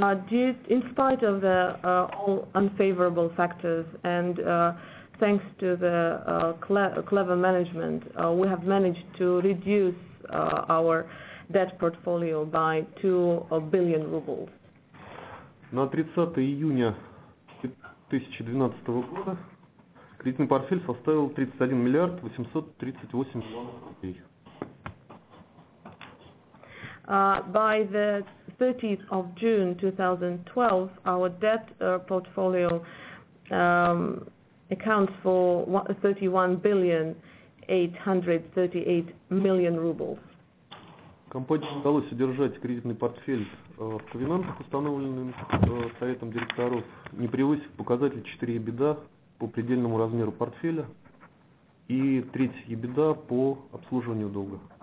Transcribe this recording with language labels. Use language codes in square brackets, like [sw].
[en] In spite of the all unfavorable factors and thanks to the clever management, we have managed to reduce our debt portfolio by 2 billion rubles. [ru] На 30 июня 2012 года кредитный портфель составил 31 миллиард 838 миллионов рублей. [en] By the 30th of June 2012, our debt portfolio accounts for 31,838,000,000 rubles. [ru] Компании удалось удержать кредитный портфель в ковенантах, установленным советом директоров, не превысив показатель 4 EBITDA по предельному размеру портфеля и 3 EBITDA по обслуживанию долга.